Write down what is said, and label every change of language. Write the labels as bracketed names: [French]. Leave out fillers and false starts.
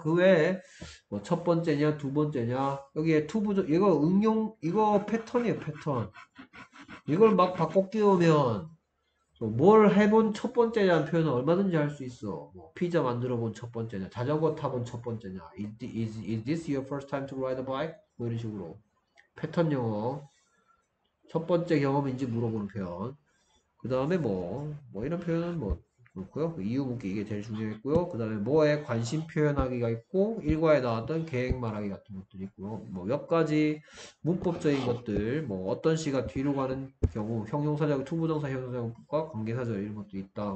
[Korean] 그 외에 뭐첫 번째냐, 두 번째냐? 여기에 투부정 이거 응용 이거 패턴이에요, 패턴. 이걸 막 바꿔 끼우면 뭘 해본 첫 번째냐는 표현을 얼마든지 할수 있어. 뭐 피자 만들어 본첫 번째냐, 자전거 타본 첫 번째냐. [English] Is this your first time to ride a bike? [Korean] 뭐 이런 식으로 패턴 영어. 첫 번째 경험인지 물어보는 표현. 그 다음에 뭐 이런 표현은 뭐 그렇고요. 이유 묻기 이게 제일 중요했고요. 그 다음에 뭐에 관심 표현하기가 있고 일과에 나왔던 계획 말하기 같은 것들이 있고요. 뭐몇 가지 문법적인 것들, 뭐 어떤 시가 뒤로 가는 경우, 형용사적, 투부정사, 형용사적과 관계사절 이런 것도 있다.